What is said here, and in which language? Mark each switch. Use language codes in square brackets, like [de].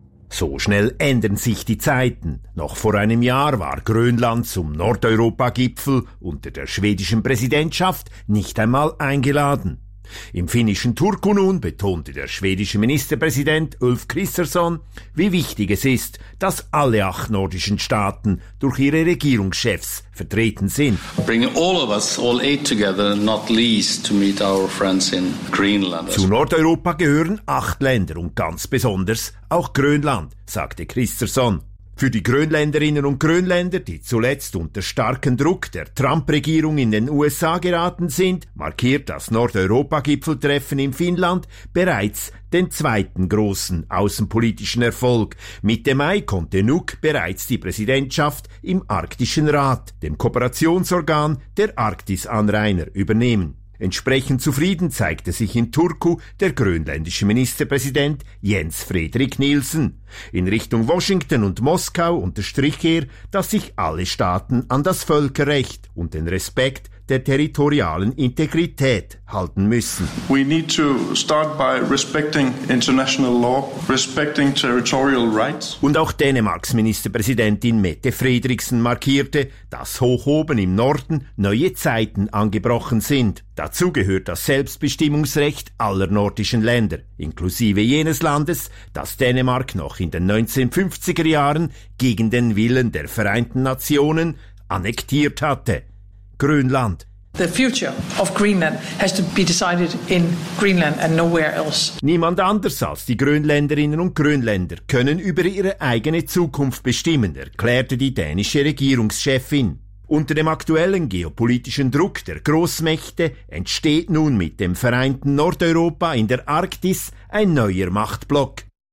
[de] So schnell ändern sich die Zeiten. Noch vor einem Jahr war Grönland zum Nordeuropa-Gipfel unter der schwedischen Präsidentschaft nicht einmal eingeladen. Im finnischen Turku nun betonte der schwedische Ministerpräsident Ulf Kristersson, wie wichtig es ist, dass alle 8 nordischen Staaten durch ihre Regierungschefs vertreten sind. [en] Bring all of us, all 8 together, not least to meet our friends in Greenland. [de] Zu Nordeuropa gehören 8 Länder und ganz besonders auch Grönland, sagte Kristersson. Für die Grönländerinnen und Grönländer, die zuletzt unter starken Druck der Trump-Regierung in den USA geraten sind, markiert das Nordeuropa-Gipfeltreffen in Finnland bereits den 2. großen außenpolitischen Erfolg. Mitte Mai konnte Nuuk bereits die Präsidentschaft im Arktischen Rat, dem Kooperationsorgan der Arktis-Anrainer, übernehmen. Entsprechend zufrieden zeigte sich in Turku der grönländische Ministerpräsident Jens Fredrik Nielsen. In Richtung Washington und Moskau unterstrich er, dass sich alle Staaten an das Völkerrecht und den Respekt der territorialen Integrität halten müssen. [en] We need to start by respecting international law, respecting territorial rights. [de] Und auch Dänemarks Ministerpräsidentin Mette Frederiksen markierte, dass hoch oben im Norden neue Zeiten angebrochen sind. Dazu gehört das Selbstbestimmungsrecht aller nordischen Länder, inklusive jenes Landes, das Dänemark noch in den 1950er Jahren gegen den Willen der Vereinten Nationen annektiert hatte. Grönland. [en] The future of Greenland has to be decided in Greenland and nowhere else. [de] Niemand anders als die Grönländerinnen und Grönländer können über ihre eigene Zukunft bestimmen, erklärte die dänische Regierungschefin. Unter dem aktuellen geopolitischen Druck der Grossmächte entsteht nun mit dem vereinten Nordeuropa in der Arktis ein neuer Machtblock.